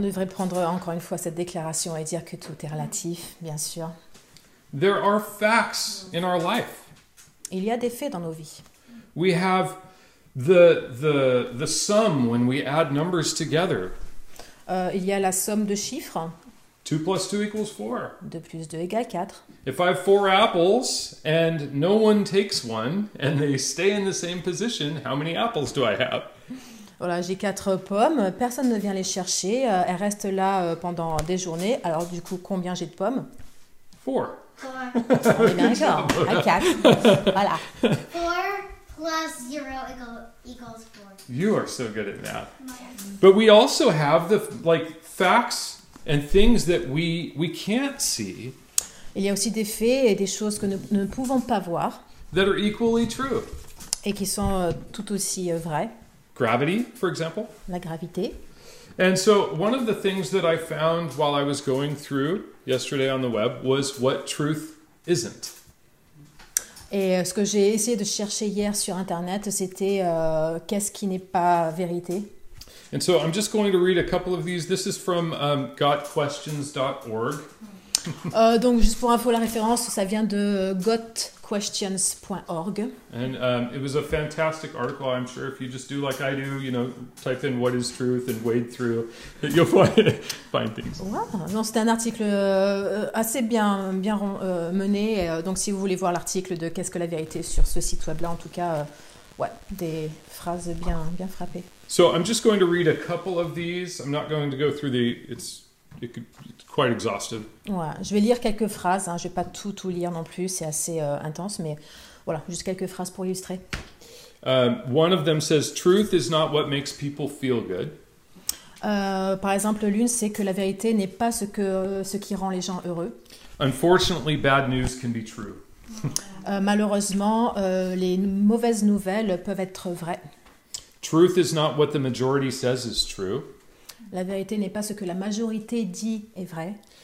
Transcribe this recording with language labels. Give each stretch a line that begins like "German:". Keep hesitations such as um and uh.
French: devrait prendre encore une fois cette déclaration et dire que tout est relatif, bien sûr.
English: There are facts in our life.
French: Il y a des faits dans nos vies.
English: We have the the the sum when we add numbers together.
French: Euh, il y a la somme de chiffres. 2 plus 2 de égale 4.
English: If I have 4 apples and no one takes one and they stay in the same position, how many apples do I have?
French: Voilà, j'ai 4 pommes, personne ne vient les chercher, elles restent là pendant des journées. Alors du coup, combien j'ai de pommes?
English: 4. Four. Nigel. I catch. Voila. Four plus zero equal, equals four. You are so good at math. But we also have the like facts and things that we we can't see.
French: Il y a aussi des faits et des choses que nous ne, ne pouvons pas voir.
English: That are equally true.
French: Et qui sont uh, tout aussi uh, vrais.
English: Gravity, for example.
French: La gravité.
English: And so, one of the things that I found while I was going through yesterday on the web was what truth isn't.
French: Et ce que j'ai essayé de chercher hier sur internet, c'était uh, qu'est-ce qui n'est pas vérité.
English: And so, I'm just going to read a couple of these. This is from um, gotquestions.org. Okay.
French: euh, donc, juste pour info, la référence, ça vient de gotquestions.org.
English: And um, it was a fantastic article. I'm sure if you just do like I do, you know, type in what is truth and wade through, and you'll find, find things. Wow.
French: Non, c'était un article assez bien, bien euh, mené. Donc, si vous voulez voir l'article de Qu'est-ce que la vérité sur ce site web-là, en tout cas, euh, ouais, des phrases bien, bien frappées.
English: So, I'm just going to read a couple of these. I'm not going to go through the. It's It could, it's quite
French: voilà. je vais lire quelques phrases. je hein. Je vais pas tout, tout lire non plus. C'est assez euh, intense, mais voilà, juste quelques phrases pour illustrer.
English: Uh, one of them says, Truth is not what makes people feel good."
French: Uh, par exemple, l'une c'est que la vérité n'est pas ce que ce qui rend les gens heureux.
English: Unfortunately, bad news can be true.
French: uh, malheureusement, euh, les mauvaises nouvelles peuvent être vraies.
English: Truth is not what the majority says is true.
French: La vérité n'est pas ce que la majorité dit est vrai.